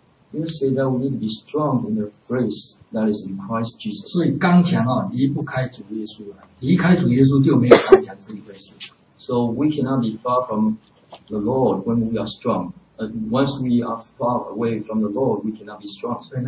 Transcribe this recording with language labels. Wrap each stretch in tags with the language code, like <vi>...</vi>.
<en>you say that we need to be strong in the grace that is in Christ Jesus.</en> <zh>所以刚强啊,离不开主耶稣了,离开主耶稣就没有刚强这一回事。</zh> <en>So we cannot be far from the Lord when we are strong. Once we are far away from the Lord, we cannot be strong.</en>